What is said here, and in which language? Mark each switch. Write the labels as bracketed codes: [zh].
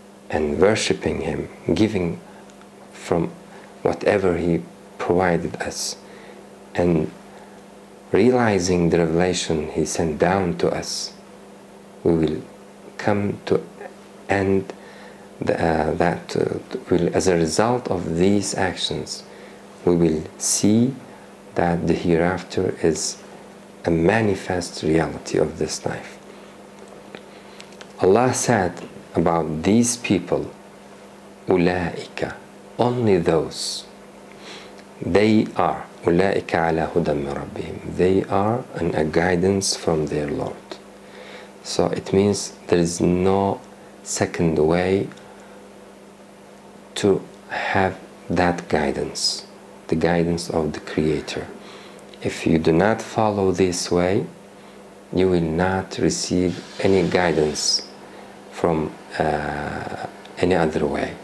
[en] and worshipping Him, giving from whatever He provided us, and realizing the revelation He sent down to us, we will come to end will, as a result of these actions, we will see that the hereafter is a manifest reality of this life. Allah said about these people, أُولَٰئِكَ, only those, They are [ar] أولئك على هدى من ربهم. [en] They are an, a guidance from their Lord. So it means there is no second way to have that guidance, the guidance of the Creator. If you do not follow this way, you will not receive any guidance from any other way.